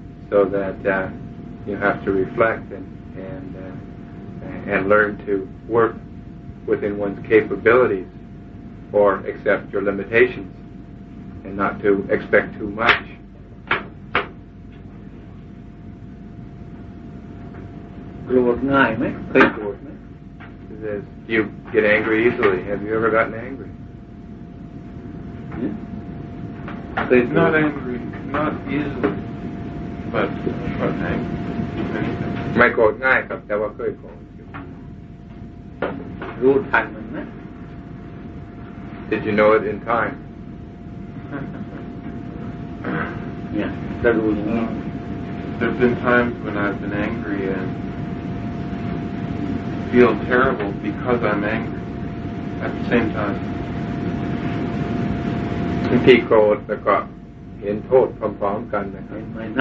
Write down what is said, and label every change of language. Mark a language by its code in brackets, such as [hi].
[en] So that you have to reflect and learn to work within one's capabilities or accept your limitations and not to expect too much. [th] โกรธง่ายไหมเคยโกรธไหม [en] He says, you get angry easily. Have you ever gotten angry? Yeah. Not angry, not easily, but angry. [th] ไม่โกรธง่ายครับแต่ว่าเคยโกรธ รู้ทันมันไหม [en] Did you know it in time? [th] Yeah, แต่รู้อย่างนี้ [en] There've been times when I've been angry andfeel terrible because I'm angry at the same time. [th] บางทีโกรธแล้วก็เห็นโทษพร้อมๆกันนะครับ